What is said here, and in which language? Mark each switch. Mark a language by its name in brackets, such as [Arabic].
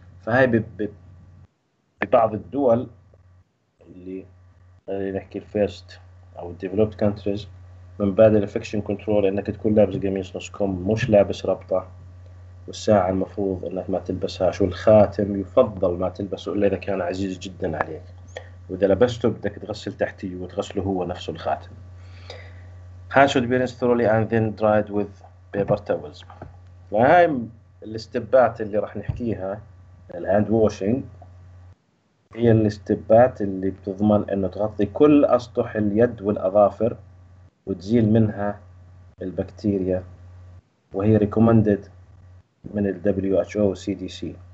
[Arabic] فهي ببعض الدول اللي نحكي الفيرست أو الديفلوبت كونتريز، من بعد الانفكشن كنترول انك تكون لابس قميص نص كم مش لابس ربطه، والساعه المفروض انك ما تلبسهاش، والخاتم يفضل ما تلبسه الا اذا كان عزيز جدا عليك، واذا لبسته بدك تغسل تحتيه وتغسله هو نفسه الخاتم. [English] Hands should be rinsed thoroughly and then dried with paper towels. [Arabic] هاي الاستبات اللي راح نحكيها الهاند واشينج، هي الاستبات اللي بتضمن انه تغطي كل اسطح اليد والاظافر وتزيل منها البكتيريا، وهي ريكومندد من الـ WHO CDC.